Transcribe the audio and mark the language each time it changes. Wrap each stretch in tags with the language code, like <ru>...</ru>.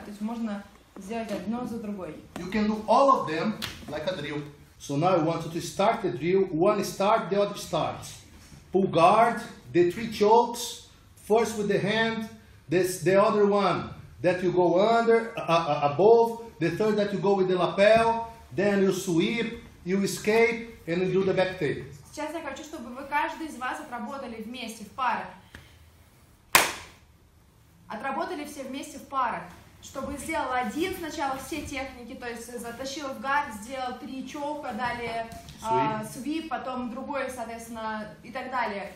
<ru>То есть можно сделать одно за другой.</ru> <en>You can do all of them like a drill. So now I want you to start the drill. One start, the other starts. Pull guard, the three chokes. First with the hand, this, the other one. that you go under, above, the third that you go with the lapel, then you sweep, you escape, and you do the back take.</en> <ru>Сейчас я хочу, чтобы вы каждый из вас отработали вместе в парах. Отработали все вместе в парах. Чтобы сделал один сначала все техники, то есть затащил в гард, сделал три чока, далее свип, потом другой, соответственно, и так далее.</ru>